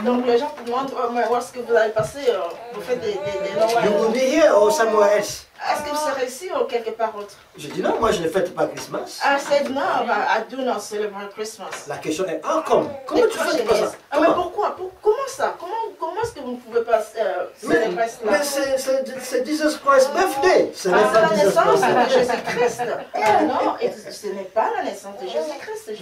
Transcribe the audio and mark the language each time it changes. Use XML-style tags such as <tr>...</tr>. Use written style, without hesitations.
<fr>Donc les gens vous demandent où est-ce que vous allez passer. Vous faites des</fr> <en>Noël. You will be here or somewhere else.</en> <fr>Est-ce que vous serez ici ou quelque part autre? Je dis non, moi je ne fête pas Christmas.</fr> <en>I said no, but I do not celebrate Christmas.</en> <fr>La question est, ah comme? Comment tu fais pas ça? Ah, mais pourquoi? Comment ça? Comment est-ce que vous ne pouvez pas célébrer cela? Mais c'est</fr> <en>Jesus Christ's birthday.</en> <fr>Ce n'est pas la naissance de Jésus-Christ. Non, ce n'est pas la naissance de Jésus-Christ.</fr>